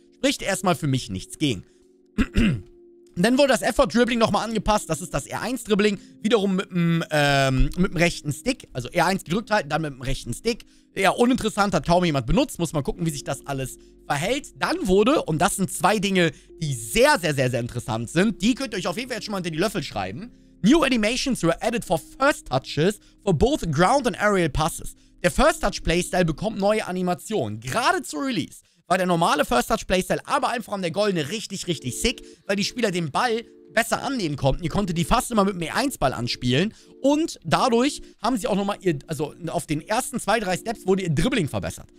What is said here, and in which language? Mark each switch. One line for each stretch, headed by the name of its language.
German: Spricht erstmal für mich nichts gegen. Dann wurde das Effort-Dribbling nochmal angepasst, das ist das R1-Dribbling, wiederum mit dem rechten Stick, also R1 gedrückt halten, dann mit dem rechten Stick. Eher uninteressant, hat kaum jemand benutzt, muss mal gucken, wie sich das alles verhält. Dann wurde, und das sind zwei Dinge, die sehr, sehr, sehr, sehr interessant sind, die könnt ihr euch auf jeden Fall jetzt schon mal unter die Löffel schreiben.
English: New animations were added for first touches for both ground and aerial passes.
German: Der First-Touch-Playstyle bekommt neue Animationen, gerade zu Release. War der normale First-Touch-Playstyle, aber einfach an der goldene, richtig, richtig sick, weil die Spieler den Ball besser annehmen konnten. Ihr konntet die fast immer mit dem E1-Ball anspielen und dadurch haben sie auch nochmal ihr, also auf den ersten 2-3 Steps wurde ihr Dribbling verbessert.